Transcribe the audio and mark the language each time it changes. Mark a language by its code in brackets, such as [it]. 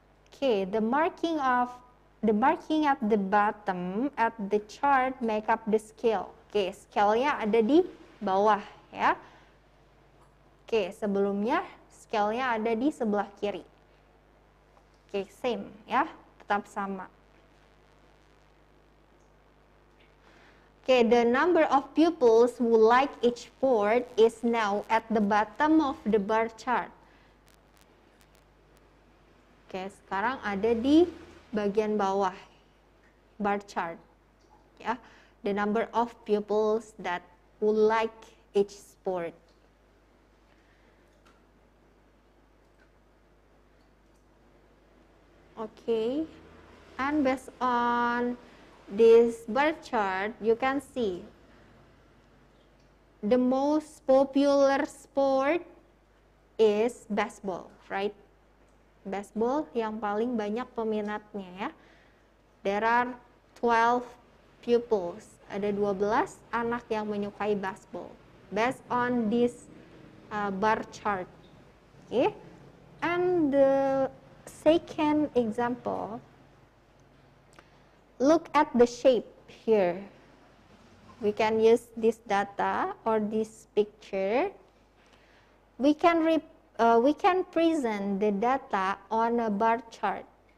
[en] Okay, the marking at the bottom at the chart make up the scale. [id] Okay, scale-nya ada di bawah ya. Okay, sebelumnya scale-nya ada di sebelah kiri. Okay, same ya, tetap sama. [en] Okay, the number of pupils who like each sport is now at the bottom of the bar chart. [id] Okay, sekarang ada di bagian bawah bar chart. [en] Yeah, the number of pupils that who like each sport. Okay, and based on this bar chart, you can see the most popular sport is baseball, right? [id] Baseball yang paling banyak peminatnya ya. [en] There are 12 pupils. [id] Ada 12 anak yang menyukai baseball. [en] Based on this bar chart. Okay. And the second example, look at the shape here. We can use this data or this picture. We can present the data on a bar chart.